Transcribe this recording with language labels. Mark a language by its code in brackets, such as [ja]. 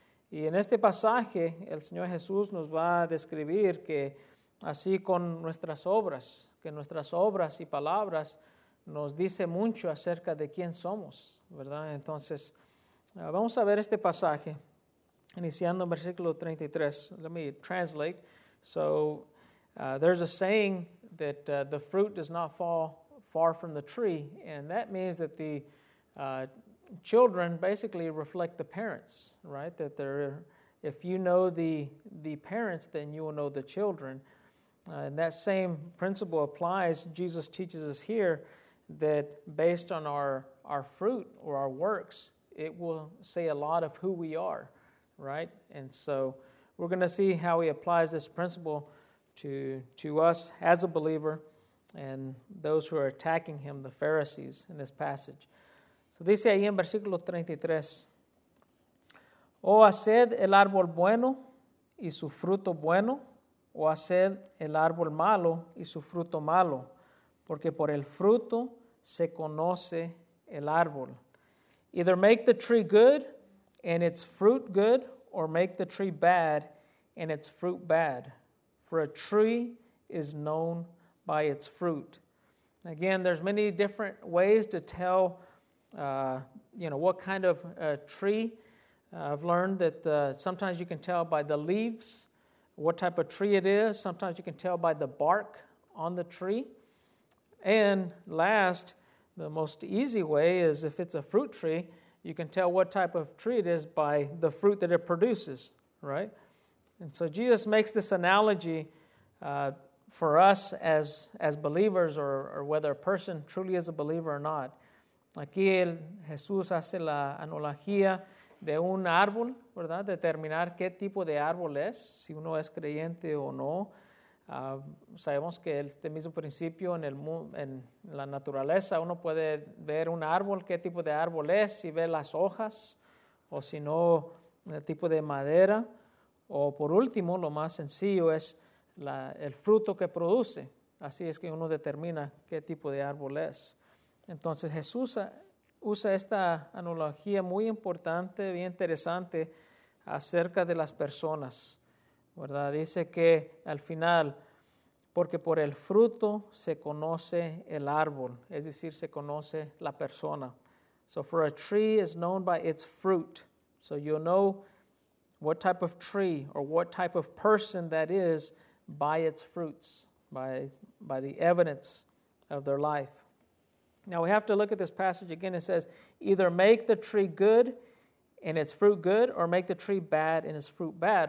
[es] Y en este pasaje, el Señor Jesús nos va a describir que así con nuestras obras, que nuestras obras y palabras nos dice mucho acerca de quién somos, ¿verdad? Entonces, vamos a ver este pasaje, iniciando en versículo 33. [en] Let me translate. So, there's a saying that the fruit does not fall far from the tree, and that means that the children basically reflect the parents, right? That if you know the parents, then you will know the children. And that same principle applies. Jesus teaches us here that based on our fruit or our works, it will say a lot of who we are, right? And so we're going to see how he applies this principle to us as a believer and those who are attacking him, the Pharisees, in this passage. [es] So dice ahí en versículo 33, o haced el árbol bueno y su fruto bueno, o haced el árbol malo y su fruto malo, porque por el fruto se conoce el árbol. [en] Either make the tree good and its fruit good, or make the tree bad and its fruit bad. For a tree is known by its fruit. Again, there's many different ways to tell what kind of tree. I've learned that sometimes you can tell by the leaves what type of tree it is. Sometimes you can tell by the bark on the tree. And last, the most easy way is if it's a fruit tree, you can tell what type of tree it is by the fruit that it produces, right? And so Jesus makes this analogy for us as believers, or whether a person truly is a believer or not. [es] Aquí Jesús hace la analogía de un árbol, ¿verdad? Determinar qué tipo de árbol es, si uno es creyente o no. Sabemos que este mismo principio en la naturaleza, uno puede ver un árbol, qué tipo de árbol es, si ve las hojas o si no, el tipo de madera. O por último, lo más sencillo es el fruto que produce. Así es que uno determina qué tipo de árbol es. Entonces Jesús usa esta analogía muy importante, bien interesante, acerca de las personas, ¿verdad? Dice que al final, porque por el fruto se conoce el árbol, es decir, se conoce la persona. [en] So for a tree is known by its fruit. So you'll know what type of tree or what type of person that is by its fruits, by the evidence of their life. Now we have to look at this passage again. It says, either make the tree good and its fruit good, or make the tree bad and its fruit bad.